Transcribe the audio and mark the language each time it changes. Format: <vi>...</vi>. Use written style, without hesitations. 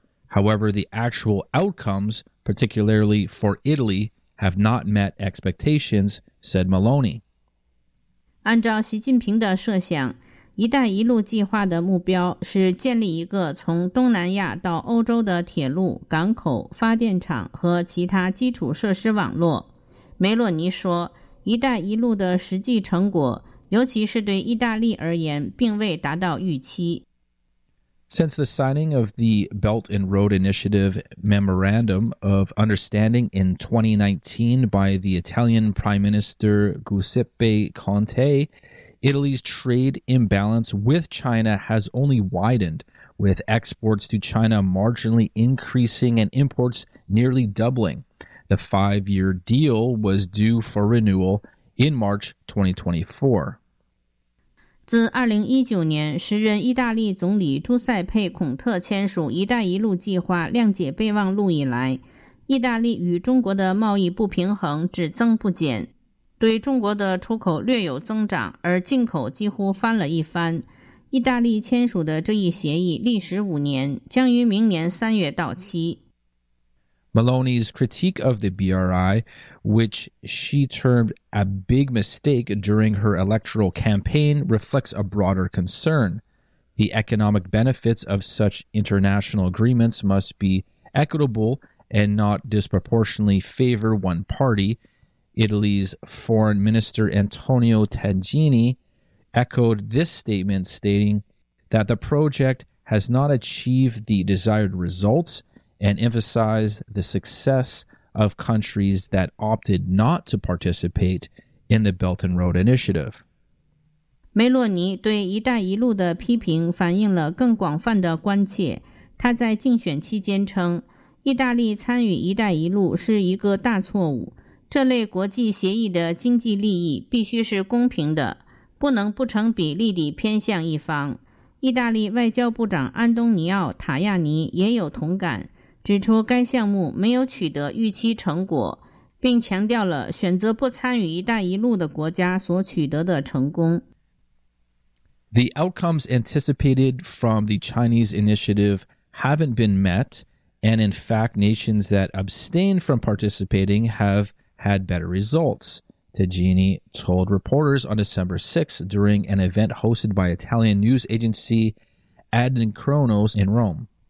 <en>However, the actual outcomes, particularly for Italy, have not met expectations, said Meloni.</en> <zh>按照习近平的设想，一带一路计划的目标是建立一个从东南亚到欧洲的铁路、港口、发电厂和其他基础设施网络。梅洛尼说，一带一路的实际成果，尤其是对意大利而言，并未达到预期。</zh> <en>Since the signing of the Belt and Road Initiative Memorandum of Understanding in 2019 by the Italian Prime Minister Giuseppe Conte,Italy's trade imbalance with China has only widened, with exports to China marginally increasing and imports nearly doubling. The five-year deal was due for renewal in March 2024.</en> <zh>自2019年时任意大利总理朱塞佩·孔特签署一带一路计划谅解备忘录以来，意大利与中国的贸易不平衡只增不减，对中国的出口略有增长，而进口几乎翻了一番。意大利签署的这一协议历时五年，将于明年三月到期。</zh> <en>Meloni's critique of the BRI, which she termed a big mistake during her electoral campaign, reflects a broader concern. The economic benefits of such international agreements must be equitable and not disproportionately favor one party. Italy's Foreign Minister Antonio Tajani echoed this statement, stating that the project has not achieved the desired results. And emphasize the success of countries that opted not to participate in the Belt and Road Initiative.</en> <zh>梅洛尼对“一带一路”的批评反映了更广泛的关切。他在竞选期间称，意大利参与“一带一路”是一个大错误。这类国际协议的经济利益必须是公平的，不能不成比例地偏向一方。意大利外交部长安东尼奥·塔亚尼也有同感。指出该项目没有取得预期成果，并强调了选择不参与“一带一路”的国家所取得的成功。</zh> <en>The outcomes anticipated from the Chinese initiative haven't been met, and in fact, nations that abstain from participating have had better results, Tajani told reporters on December 6 during an event hosted by Italian news agency Adnkronos in Rome.</en>